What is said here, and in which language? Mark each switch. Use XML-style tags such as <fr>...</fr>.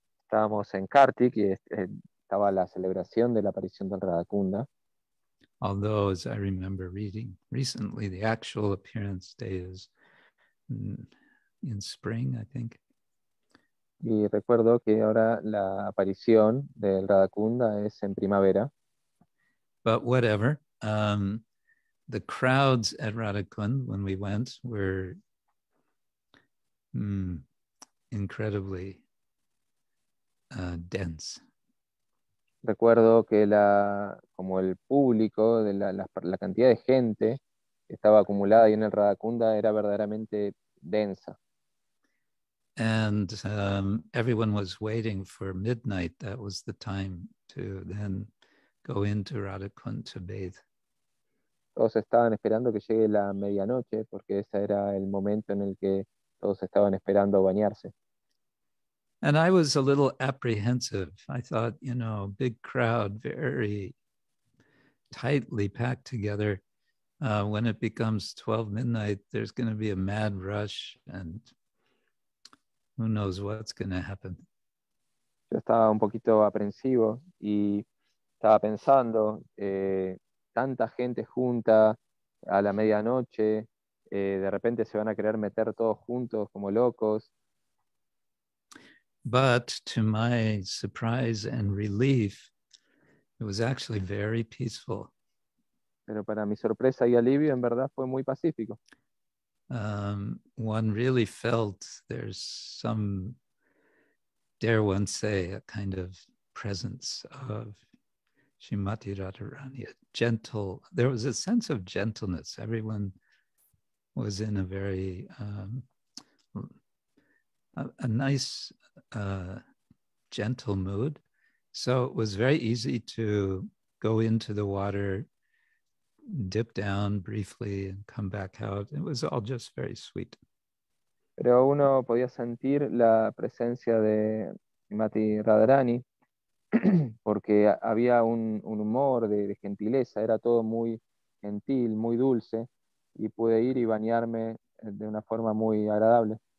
<es>Estábamos en Kartik y estaba la celebración de la aparición del Radha Kunda.</es> <en>Although, as I remember reading recently, the actual appearance day is in spring, I think.</en> <es>Y recuerdo que ahora la aparición del Radha Kunda es en primavera.</es> <en>But whatever, the crowds at Radha Kunda when we went were incredibly dense.</en> <es>Recuerdo que como el público, la cantidad de gente que estaba acumulada ahí en el Radha Kunda era verdaderamente densa.</es> <en>And everyone was waiting for midnight. That was the time to then go into Radha Kunda to bathe.</en> <es>Todos estaban esperando que llegue la medianoche porque ese era el momento en el que todos estaban esperando bañarse.</es> <en>And I was a little apprehensive. I thought, you know, big crowd, very tightly packed together. When it becomes 12 midnight, there's going to be a mad rush. And Who knows what's going to happen?</en> <es>Yo estaba un poquito aprensivo y estaba pensando, tanta gente junta a la medianoche, de repente se van a querer meter todos juntos como locos.</es> <en>But to my surprise and relief, it was actually very peaceful.</en> <es>Pero para mi sorpresa y alivio, en verdad fue muy pacífico.</es> <en>One really felt there's some, dare one say, a kind of presence of Srimati Radharani, a gentle, there was a sense of gentleness. Everyone was in a very, a nice, gentle mood. So it was very easy to go into the water, dip down briefly and come back out. It was all just very sweet.</en> <es>Pero uno podía sentir la presencia de Mati Radharani porque había un humor de gentileza. Era todo muy gentil, muy dulce, y pude ir y bañarme de una forma muy agradable.</es>